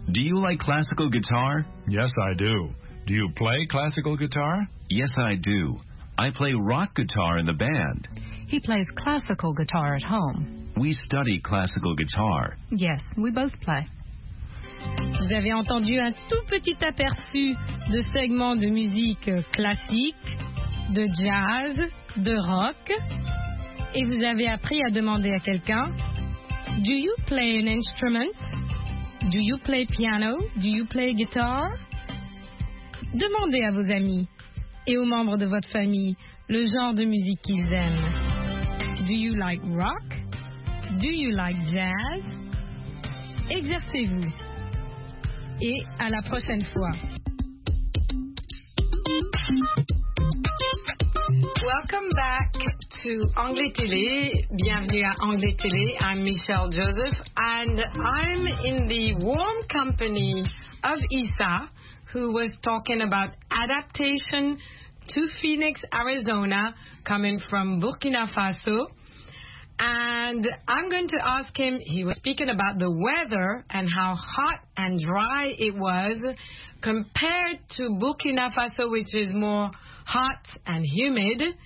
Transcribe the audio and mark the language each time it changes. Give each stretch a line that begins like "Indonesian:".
English: Do you like classical guitar? Yes, I do. Do you play classical guitar? Yes, I do. I play rock guitar in the band. He plays classical guitar at home. We study classical guitar. Yes, we both play.
French: Vous avez entendu un tout petit aperçu de segments de musique classique, de jazz, de rock. Et vous avez appris à demander à quelqu'un,
English: Do you play an instrument? Do you play piano? Do you play guitar?
French: Demandez à vos amis et aux membres de votre famille le genre de musique qu'ils aiment.
English: Do you like rock? Do you like jazz?
French: Exercez-vous. Et à la prochaine fois.
English: Welcome back to Anglais Télé.
French: Bienvenue à Anglais Télé.
English: I'm Michelle Joseph and I'm in the warm company of Issa, who was talking about adaptation to Phoenix, Arizona, coming from Burkina Faso. And I'm going to ask him, he was speaking about the weather and how hot and dry it was compared to Burkina Faso, which is more hot and humid.